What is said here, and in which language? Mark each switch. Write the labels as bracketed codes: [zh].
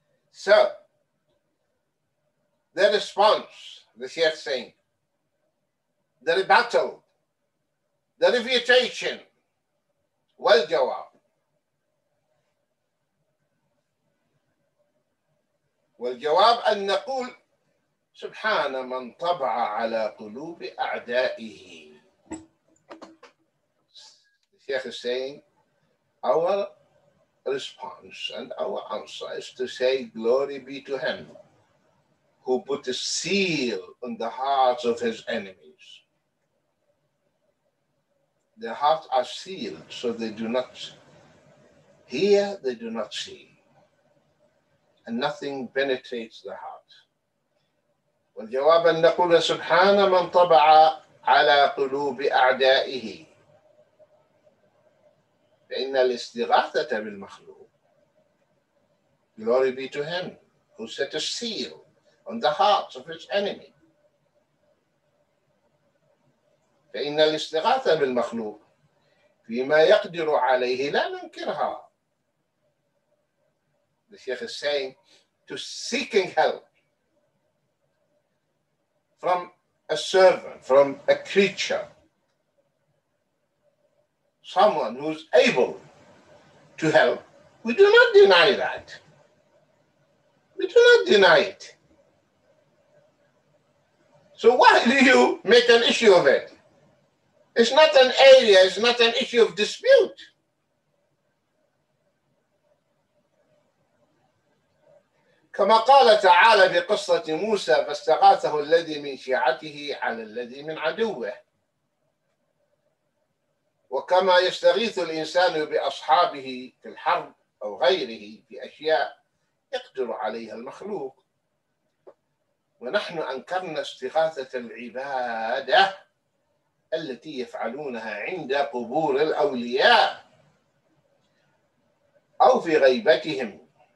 [en] So, the response, the Shaykh saying, the rebuttal, the refutation, well, jawab. [ar] والجواب أن نقول سبحان من طبع على قلوب أعدائه. [en] The Sheikh is saying, our response and our answer is to say, glory be to him who put a seal on the hearts of his enemies. Their hearts are sealed so they do not hear, they do not see. And nothing penetrates the heart. [ar] والجواب أن نقول سبحان من طبع على قلوب أعدائه فإن الاستغاثة بالمخلوق. [en] Glory be to him who set a seal on the hearts of his enemy. [ar] فإن الاستغاثة بالمخلوق فيما يقدر عليه لا ننكرها. [en] The Sheikh is saying, to seeking help from a servant, from a creature, someone who's able to help, we do not deny that. We do not deny it. So why do you make an issue of it? It's not an area, it's not an issue of dispute. [ar] كما قال تعالى في قصة موسى فاستغاثه الذي من شيعته على الذي من عدوه وكما يستغيث الإنسان بأصحابه في الحرب أو غيره في أشياء يقدر عليها المخلوق ونحن أنكرنا استغاثة العبادة التي يفعلونها عند قبور الأولياء أو في غيبتهم